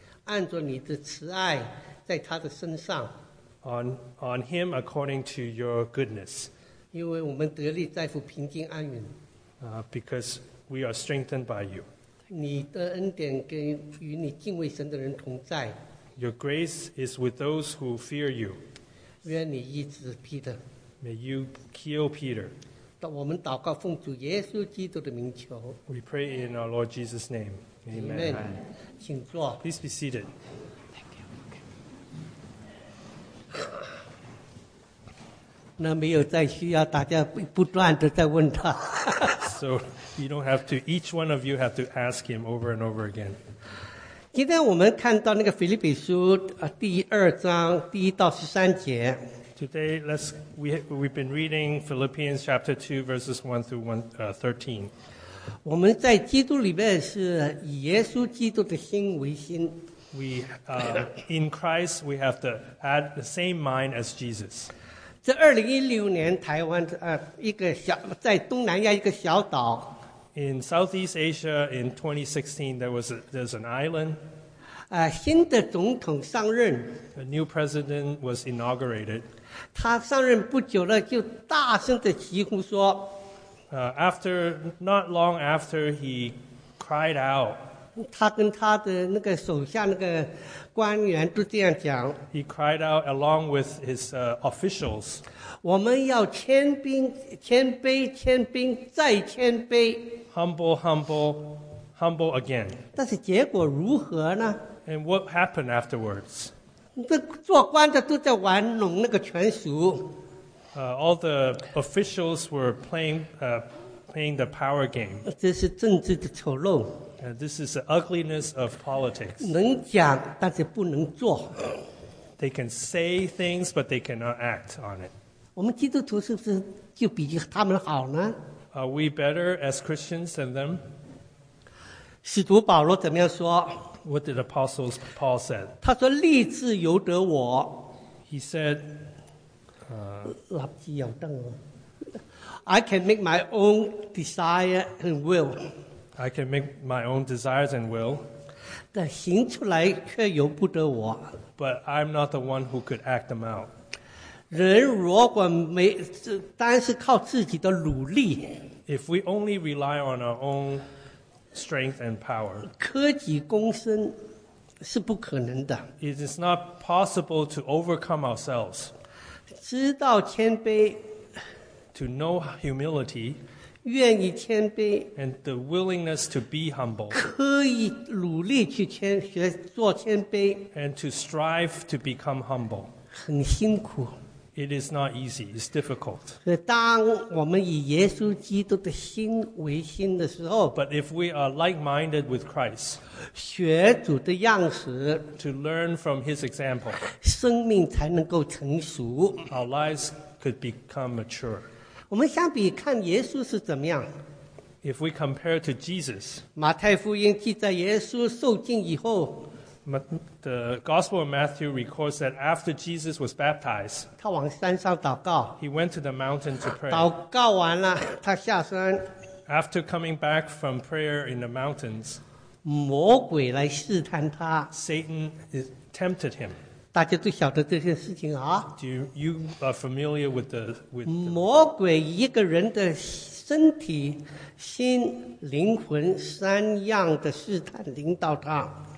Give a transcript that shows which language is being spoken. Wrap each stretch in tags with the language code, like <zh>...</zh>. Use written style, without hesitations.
<zh>按着你的慈爱在他的身上。</zh> <en>On him according to your goodness.</en> <zh>因为我们得力在乎平静安稳。</zh> <en>Because we are strengthened by you.</en> <zh>你的恩典跟与你敬畏神的人同在。</zh> <en>Your grace is with those who fear you.</en> <zh>愿你医治 Peter.</zh> <en>May you heal Peter.</en> <zh>我们祷告奉主耶稣基督的名求。</zh> <en>We pray in our Lord Jesus' name. Amen.</en> <zh>Amen. 请坐。</zh> <en>Please be seated. Thank you. Okay.</en> <zh>那没有再需要大家不断的在问他。</zh> <en>So you don't have to. Each one of you have to ask him over and over again.</en> <zh>今天我们看到那个腓立比书第二章第一到十三节。</zh> <en>Today, we've been reading Philippians chapter 2, verses 1 through 13.</en> <zh>我们在基督里面是以耶稣基督的心为心。</zh> <en>In Christ, we have to add the same mind as Jesus.</en> <zh>在2016年台湾一个小在东南亚一个小岛。</zh> <en>In Southeast Asia, in 2016, there's an island.</en> <zh>新的总统上任。</zh> <en>A new president was inaugurated.</en> <zh>他上任不久了，就大声的疾呼说。</zh> <en>After not long after, he cried out.</en> <zh>他跟他的那个手下那个官员都这样讲。</zh> <en>He cried out along with his officials.</en> <zh>我们要谦卑，谦卑，谦卑，再谦卑。</zh> <en>Humble, humble, humble again.</en> <zh>但是结果如何呢?</zh> <en>And what happened afterwards?</en> <zh>这做官的都在玩弄那个权术。</zh> <en>All the officials were playing the power game.</en> <zh>这是政治的丑陋。</zh> <en>And this is the ugliness of politics.</en> <zh>能讲，但是不能做。</zh> <en>They can say things, but they cannot act on it.</en> <zh>我们基督徒是不是就比他们好呢?</zh> <en>Are we better as Christians than them?</en> <zh>使徒保罗怎么样说?</zh> <en>What did Apostle Paul said?</en> <zh>他说立志由得我。</zh> <en>He said,</en> <zh>立志由得我。</zh> <en>I can make my own desire and will. I can make my own desires and will.</en> <zh>但行出来却由不得我。</zh> <en>But I'm not the one who could act them out.</en> <zh>人如果没单是靠自己的努力</zh> <en>，If we only rely on our own strength and power，</en> <zh>科技共生是不可能的。</zh> <en>It is not possible to overcome ourselves。</en> <zh>知道谦卑</zh> <en>，To know humility，</en> <zh>愿意谦卑</zh> <en>，And the willingness to be humble，</en> <zh>可以努力去谦学做谦卑</zh> <en>，And to strive to become humble，</en> <zh>很辛苦。</zh> <en>It is not easy. It's difficult.</en> <zh>当我们以耶稣基督的心为心的时候</zh> <en>，But if we are like-minded with Christ,</en> <zh>学主的样式</zh> <en>，To learn from His example,</en> <zh>生命才能够成熟</zh> <en>，Our lives could become mature.</en> <zh>我们相比看耶稣是怎么样</zh> <en>？If we compare to Jesus,</en> <zh>马太福音记载耶稣受浸以后。</zh> <en>The Gospel of Matthew records that after Jesus was baptized,</en> <zh>他往山上祷告。</zh> <en>He went to the mountain to pray.</en> <zh>祷告完了，他下山。</zh> <en>After coming back from prayer in the mountains,</en> <zh>魔鬼来试探他。</zh> <en>Satan tempted him.</en> <zh>大家都晓得这些事情啊。</zh> <en>You are familiar with the with</en> <zh>魔鬼一个人的身体、心、灵魂三样的试探临到他。</zh>